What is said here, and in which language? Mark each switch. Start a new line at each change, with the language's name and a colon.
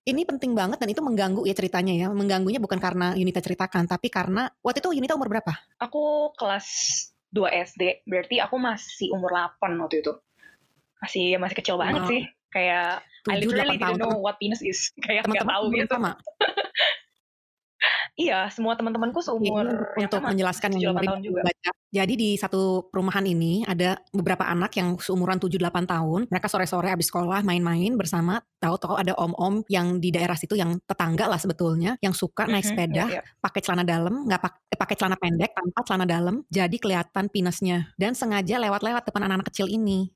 Indonesian: Ini penting banget dan itu mengganggu ya ceritanya ya. Mengganggunya bukan karena Yunita ceritakan, tapi karena, waktu itu Yunita umur berapa? Aku kelas 2 SD, berarti aku masih umur 8 waktu itu. Masih kecil banget sih. Kayak,
English: 7, I literally didn't know what penis is.
Indonesian: Kayak gak tahu gitu. Iya, semua teman-temanku seumur ini untuk menjelaskan yang dengerin juga. Jadi di satu perumahan ini ada beberapa anak yang seumuran 7-8 tahun. Mereka sore-sore abis sekolah main-main bersama. Tahu-tahu ada om-om yang di daerah situ yang tetangga lah sebetulnya, yang suka naik sepeda pakai celana dalam, pakai celana pendek tanpa celana dalam, jadi kelihatan penisnya dan sengaja lewat-lewat depan anak-anak kecil ini.